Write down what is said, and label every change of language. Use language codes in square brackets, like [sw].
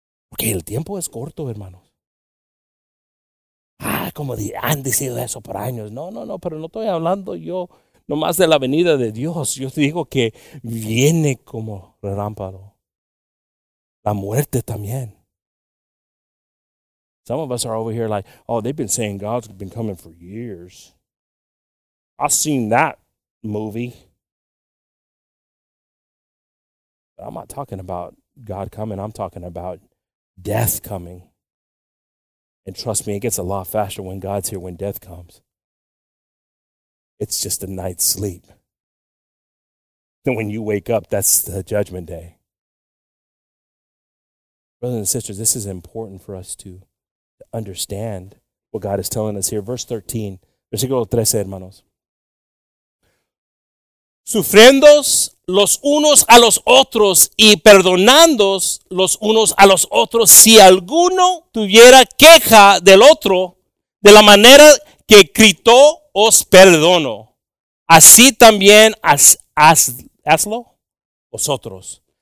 [es] Porque el tiempo es corto, hermanos. Ah, como han dicho eso por años. No, pero no estoy hablando yo nomás de la venida de Dios. Yo te digo que viene como relámpago. la muerte también. [en] Some of us are over here like, oh, they've been saying God's been coming for years. I've seen that movie. But I'm not talking about God coming. I'm talking about death coming. And trust me, it gets a lot faster when God's here when death comes. It's just a night's sleep. Then when you wake up, that's the judgment day. Brothers and sisters, this is important for us to understand what God is telling us here. Verse 13, [es] versículo 13, hermanos. Sufriéndoos los unos a los otros y perdonándoos los unos a los otros, si alguno tuviera queja del otro, de la manera que Cristo os perdonó, así también hazlo vosotros.